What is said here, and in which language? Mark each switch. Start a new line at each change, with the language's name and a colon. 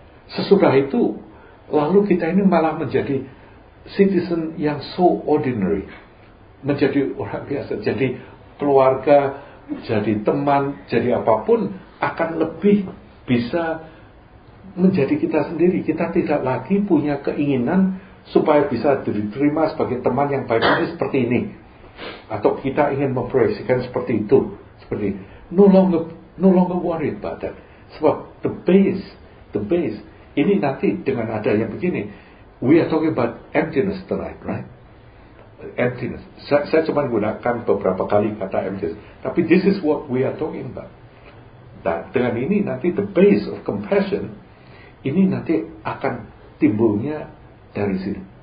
Indonesian: Sesudah itu lalu kita ini malah menjadi citizen yang
English: so ordinary,
Indonesian: menjadi orang biasa, jadi keluarga, jadi teman, jadi apapun akan lebih bisa menjadi kita sendiri. Kita tidak lagi punya keinginan supaya bisa diterima sebagai teman yang baik ini seperti ini, atau kita ingin memproyeksikan seperti itu, seperti ini.
English: No longer worried about that.
Indonesian: Sebab
English: the base.
Indonesian: Ini nanti dengan ada yang begini,
English: we are talking about emptiness tonight, right? Emptiness.
Indonesian: Saya cuma gunakan beberapa kali kata emptiness. Tapi
English: this is what we are talking about.
Indonesian: Dan dengan ini nanti
English: the base of compassion,
Indonesian: ini nanti akan timbulnya dari sini.